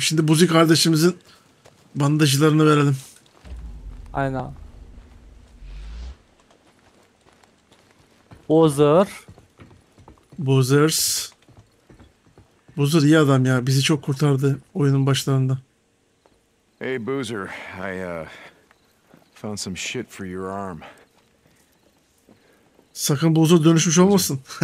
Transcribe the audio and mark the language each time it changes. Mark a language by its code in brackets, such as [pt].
[tr] Şimdi Buzi kardeşimizin bandajlarını verelim. Aynen. Buzer. Buzers. Boozer iyi adam ya, bizi çok kurtardı oyunun başlarında. [en] Hey Boozer, I found some shit for your arm. [tr] Sakın Boozer dönüşmüş olmasın.